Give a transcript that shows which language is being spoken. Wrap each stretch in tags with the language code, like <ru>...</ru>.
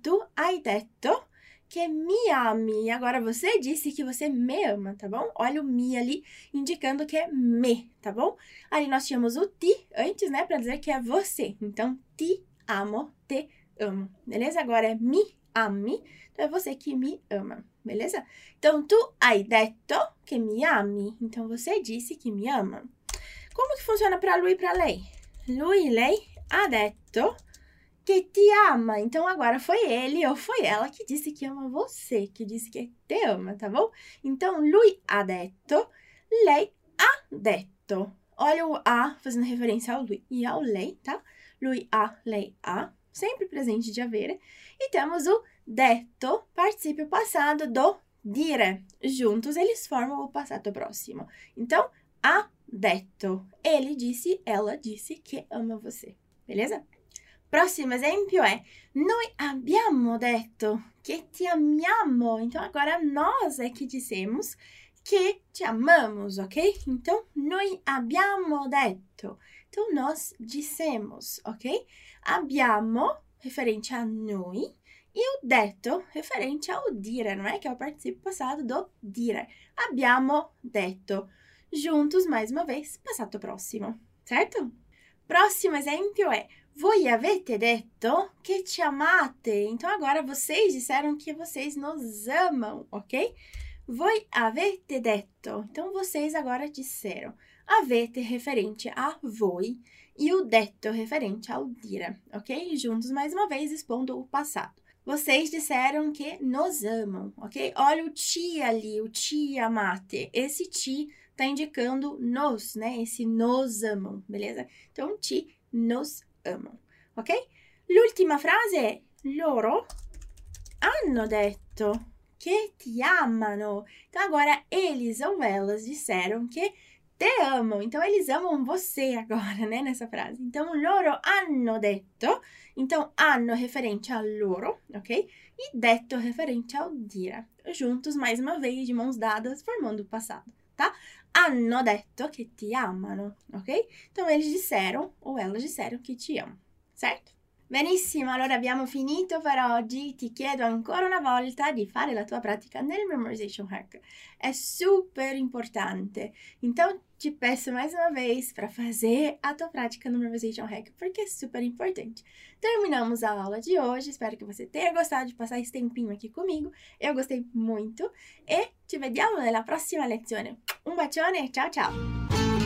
<it>Tu hai detto que mi ami.</it> <pt>Agora, você disse que você me ama, tá bom? Olha o mi ali, indicando que é me, tá bom? Ali nós tínhamos o ti antes, né? Pra dizer que é você. Então,</pt> <it>ti amo,</it> <pt>te amo, beleza? Agora é</pt> <it>mi ami,</it> <pt>então é você que me ama, beleza?</pt> <it>Então, tu hai detto che mi ami.</it> <pt>Então, você disse que me ama. Como que funciona para lui e para lei?</pt> <it>Lui, lei, ha detto che ti ama.</it> <pt>Então, agora foi ele ou foi ela que disse que ama você, que disse que te ama, tá bom? Então,</pt> <it>lui ha detto, lei ha detto.</it> <pt>Olha o ha fazendo referência ao lui e ao lei, tá? Lui ha, lei ha. Sempre presente de avere. E temos o detto, participio passado do dire. Juntos eles formam o passato prossimo. Então, ha detto. Ele disse, ela disse que ama você. Beleza?</pt> <it>Prossimo esempio è: noi abbiamo detto che ti amiamo.</it> <pt>Então, agora nós é que dissemos</pt> <it>che ti</it> <pt>amamos, ok? Então,</pt> <it>noi abbiamo detto.</it> <pt>Então, nós dissemos, ok?</pt> <it>Abbiamo,</it> <pt>referente a noi, e o detto, referente ao dire, não é? Che è o participio passato do dire.</pt> <it>Abbiamo detto.</it> <pt>Juntos, mais uma vez, passato prossimo, certo?</pt> <it>Prossimo esempio è: voi avete detto che ci amate.</it> <pt>Então, agora vocês disseram que vocês nos amam, ok?</pt> <it>Voi avete detto.</it> <pt>Então, vocês agora disseram. Avete referente a voi e o detto referente ao dire, ok? Juntos mais uma vez expondo o passado. Vocês disseram que nos amam, ok? Olha o ti ali, o ti amate. Esse ti tá indicando nos, né? Esse nos amam, beleza? Então, ti nos amam, ok?</pt> <it>L'ultima frase è: loro hanno detto che ti amano.</it> <pt>Então, agora eles ou elas disseram que te amam. Então, eles amam você agora, né? Nessa frase. Então,</pt> <it>loro hanno detto.</it> <pt>Então, hanno referente a loro, ok? E detto referente ao dire. Juntos, mais uma vez, de mãos dadas, formando o passado, tá?</pt> <it>Hanno detto che ti amano,</it> <pt>ok? Então, eles disseram ou elas disseram que te amam, certo?</pt> <it>Benissimo, allora abbiamo finito per oggi. Ti chiedo ancora una volta di fare la tua pratica nel Memorization Hack. È super importante.</it> <pt>Então, ti peço mais uma vez para fazer a tua prática no Memorization Hack, porque é super importante. Terminamos a aula de hoje. Espero que você tenha gostado de passar esse tempinho aqui comigo. Eu gostei muito. E</pt> <it>ci vediamo nella prossima lezione. Un bacione e ciao, ciao!</it>